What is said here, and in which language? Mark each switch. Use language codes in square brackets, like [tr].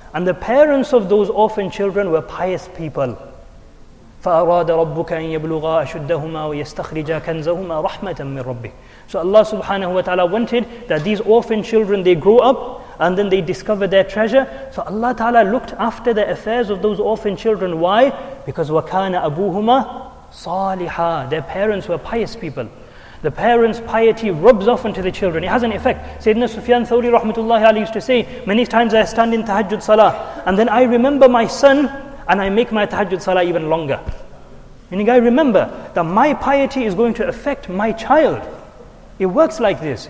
[en] And the parents of those orphan children were pious people. [ar] فَأَرَادَ رَبُّكَ أَن يَبْلُغَا أَشُدَّهُمَا وَيَسْتَخْرِجَا كَنْزَهُمَا رَحْمَةً مِّن رَبِّهِ. [en] So Allah subhanahu wa ta'ala wanted that these orphan children, they grow up and then they discover their treasure. So Allah ta'ala looked after the affairs of those orphan children. Why? Because [ar] وَكَانَ أَبُوهُمَا صَالِحًا. [en] Their parents were pious people. The parents' piety rubs off onto the children. It has an effect. Sayyidina Sufyan Thawri rahmatullahi alayhi used to say, many times I stand in tahajjud salah and then I remember my son and I make my tahajjud salah even longer. Meaning I remember that my piety is going to affect my child. It works like this.